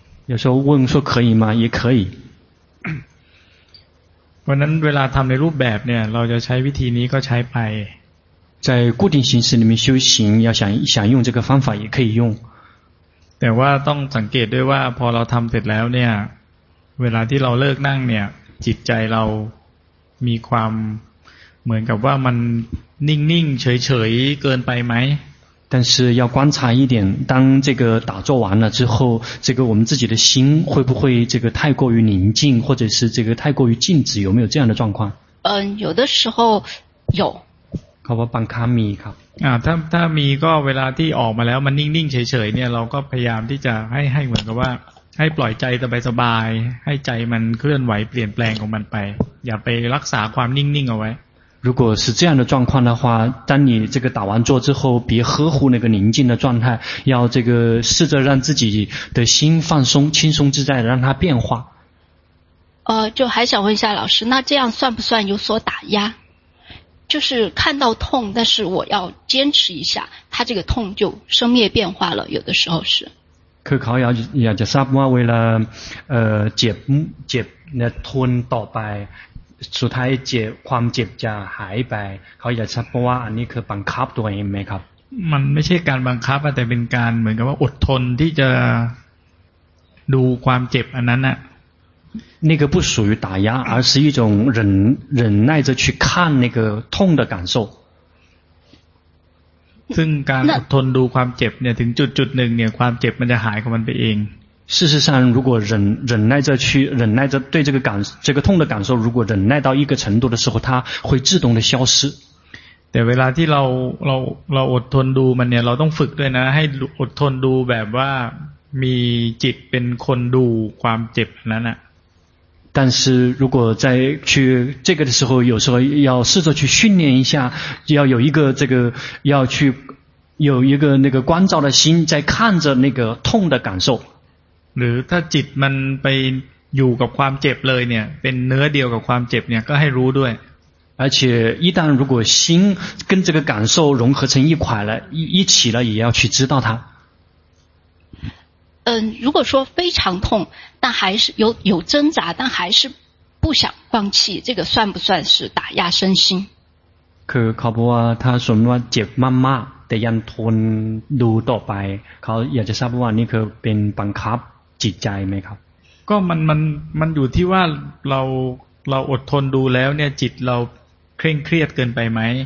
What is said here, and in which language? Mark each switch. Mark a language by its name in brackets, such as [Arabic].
[Chinese] 有时候问说可以吗也可以 [Thai] วันนั้นเวลาทำในรูปแบบเนี่ยเราจะใช้วิธีนี้ก็ใช้ไป [Chinese] 在固定形式里面修行要想用这个方法也可以用 [Thai] แต่ว่าต้องสังเกตด้วยว่าพอเราทำเสร็จแล้วเนี่ยเวลาที่เราเลิกนั่งเนี่ยจิตใจเรามีความเหมือนกับว่ามันนิ่งๆเฉยๆเกินไปไหม [Chinese] 但是要观察一点当这个打坐完了之后这个我们自己的心会不会这个太过于宁静或者是这个太过于静止有没有这样的状况有的时候有 [Thai] เขาว่าบางครั้งมีครับ ถ้ามีก็เวลาที่ออกมาแล้วมันนิ่งๆเฉยๆเนี่ยเราก็พยายามที่จะให้เหมือนกับว่าให้ปล่อยใจสบายๆให้ใจมันเคลื่อนไหวเปลี่ยนแปลงของมันไปอย่าไปรักษาความนิ่งๆเอาไว้ [Chinese] 如果是这样的状况的话当你这个打完坐之后别呵护那个宁静的状态要这个试着让自己的心放松轻松自在的让它变化就还想问一下老师那这样算不算有所打压就是看到痛但是我要坚持一下他这个痛就生灭变化了有的时候是 [Thai] คือเขาอยากจะทราบว่าเวลาเจ็บเนี่ยทนต่อไปสุดท้ายเจ็บความเจ็บจะหายไปเขาอยากทราบว่าอันนี้คือบังคับตัวเองไหมครับ มันไม่ใช่การบังคับแต่เป็นการเหมือนกับว่าอดทนที่จะดูความเจ็บอันนั้นน่ะ [Chinese] 那个不属于打压，而是一种忍耐着去看那个痛的感受。 [Thai] ซึ่งการอดทนดูความเจ็บเนี่ยถึงจุดหนึ่งเนี่ยความเจ็บมันจะหายของมันไปเอง。 [Chinese] 事实上，如果忍耐着去忍耐着对这个痛的感受，如果忍耐到一个程度的时候，它会自动的消失。 [Thai] แต่เวลาที่เราอดทนดูมันเนี่ยเราต้องฝึกด้วยนะให้อดทนดูแบบว่ามีจิตเป็นคนดูความเจ็บนั้นน่ะ [Chinese] 但是如果在去这个的时候，有时候要试着去训练一下，要有一个这个要去有一个那个关照的心，在看着那个痛的感受。 [Thai] หรือถ้าจิตมันไปอยู่กับความเจ็บเลยเนี่ยเป็นเนื้อเดียวกับความเจ็บเนี่ยก็ให้รู้ด้วย。 [Chinese] 而且一旦如果心跟这个感受融合成一块了，一起了，也要去知道它。嗯，如果说非常痛，但还是有挣扎，但还是不想放弃，这个算不算是打压身心？ [Thai] คือเขาบอกว่าถ้าสมมติว่าเจ็บมากๆแต่ยังทนดูต่อไปเขาอยากจะทราบว่านี่คือเป็นบังคับจิตใจไหมครับ ก็มันอยู่ที่ว่าเราอดทนดูแล้วเนี่ยจิตเราเคร่งเครียดเกินไปไหม